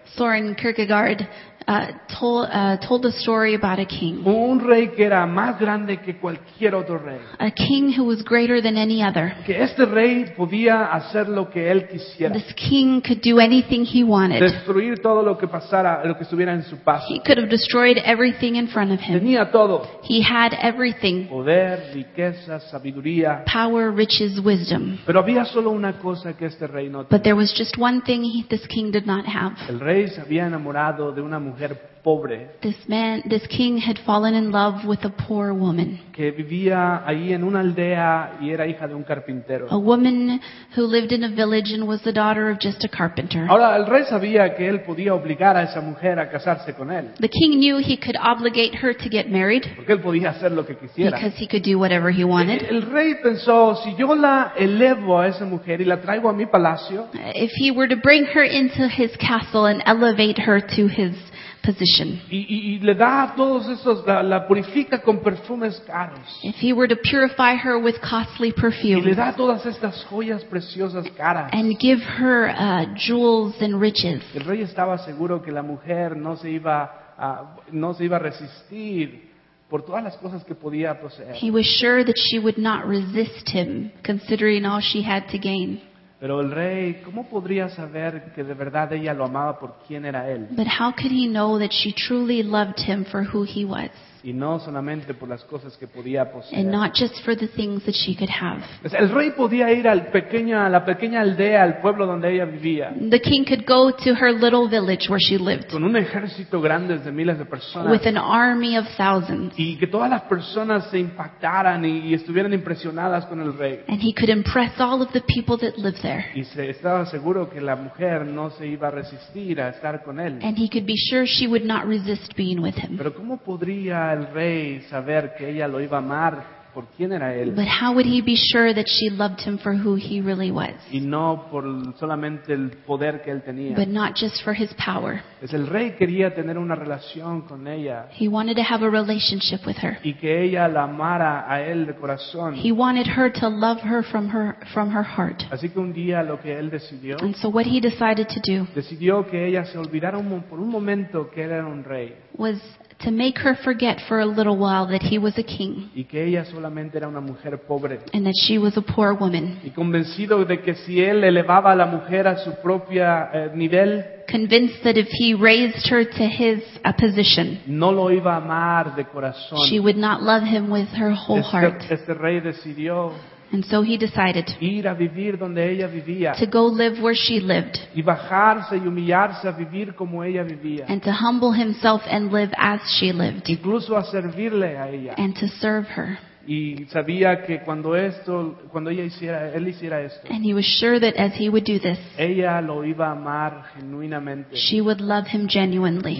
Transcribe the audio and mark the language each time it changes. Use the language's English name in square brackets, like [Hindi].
[English] Soren Kierkegaard told a story about a king. [Spanish] Un rey que era más grande que cualquier otro rey. [English] A king who was greater than any other. [Spanish] Que este rey podía hacer lo que él quisiera. [English] This king could do anything he wanted. [Spanish] Destruir todo lo que pasara, lo que estuviera en su paso. [English] He could have destroyed everything in front of him. [Spanish] Tenía todo. [English] He had everything. [Spanish] Poder, riqueza, sabiduría. [English] Power, riches, wisdom. [Spanish] Pero había solo una cosa que este rey no tenía. [English] But there was just one thing this king did not have. [Spanish] El rey se había enamorado de una mujer pobre. [English] This king had fallen in love with a poor woman. [Spanish] Que vivía ahí en una aldea y era hija de un carpintero. [English] A woman who lived in a village and was the daughter of just a carpenter. [Spanish] Ahora el rey sabía que él podía obligar a esa mujer a casarse con él. [English] The king knew he could obligate her to get married. [Spanish] Porque él podía hacer lo que quisiera. [English] Because he could do whatever he wanted. [Spanish] El rey pensó, si yo la elevo a esa mujer y la traigo a mi palacio. [English] If he were to bring her into his castle and elevate her to his position. [Spanish] Y le da a todos esos, la purifica con perfumes caros. [English] If he were to purify her with costly perfumes. [Spanish] Y le da todas estas joyas preciosas caras. [English] And give her jewels and riches. [Spanish] El rey estaba seguro que la mujer no se iba a resistir por todas las cosas que podía poseer. [English] He was sure that she would not resist him, considering all she had to gain. [Spanish] Pero el rey, ¿cómo podría saber que de verdad ella lo amaba por quién era él? [English] But how could he know that she truly loved him for who he was? [Spanish] Y no solamente por las cosas que podía poseer. [English] And not just for the things that she could have. [Spanish] Pues el rey podía ir al pequeño, a la pequeña aldea, al pueblo donde ella vivía. [English] The king could go to her little village where she lived. [Spanish] Con un ejército grande de miles de personas. [English] With an army of thousands. [Spanish] Y que todas las personas se impactaran y estuvieran impresionadas con el rey. [English] And he could impress all of the people that lived there. [Spanish] Y se estaba seguro que la mujer no se iba a resistir a estar con él. [English] And he could be sure she would not resist being with him. [Spanish] Pero ¿cómo podría el rey saber que ella lo iba a amar por quién era él? [English] But how would he be sure that she loved him for who he really was? [Spanish] Y no por solamente el poder que él tenía. [English] But not just for his power. [Spanish] Pues el rey quería tener una relación con ella. [English] He wanted to have a relationship with her. [Spanish] Y que ella la amara a él de corazón. [English] He wanted her to love her from her heart. [Spanish] Así que un día lo que él decidió. [English] And so what he decided to do. [Spanish] Decidió que ella se olvidara por un momento que él era un rey. [English] Was to make her forget for a little while that he was a king. [Spanish] Y que ella solamente era una mujer pobre. [English] And that she was a poor woman. [Spanish] Y convencido de que si él elevaba a la mujer a su propia nivel. [English] Convinced that if he raised her to his a position, [Spanish] no lo iba a amar de corazón. [English] She would not love him with her whole heart. [Spanish] Este rey decidió. [English] And so he decided [Spanish] ir a vivir donde ella vivía, [English] to go live where she lived [Spanish] y bajarse y humillarse a vivir como ella vivía, [English] and to humble himself and live as she lived, [Spanish] incluso a servirle a ella, [English] and to serve her. [Spanish] Y sabía que cuando él hiciera esto, [English] and he was sure that as he would do this, [Spanish] ella lo iba a amar genuinamente. [English] She would love him genuinely.